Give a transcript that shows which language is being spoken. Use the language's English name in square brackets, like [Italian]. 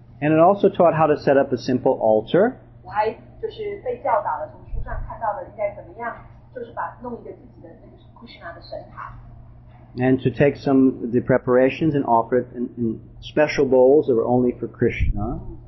[English] And it also taught how to set up a simple altar. [Chinese] 我还就是被教导了，从书上看到了应该怎么样，就是把弄一个自己的那个 Krishna 的神塔。 [English] And to take some of the preparations and offer it in special bowls that were only for Krishna.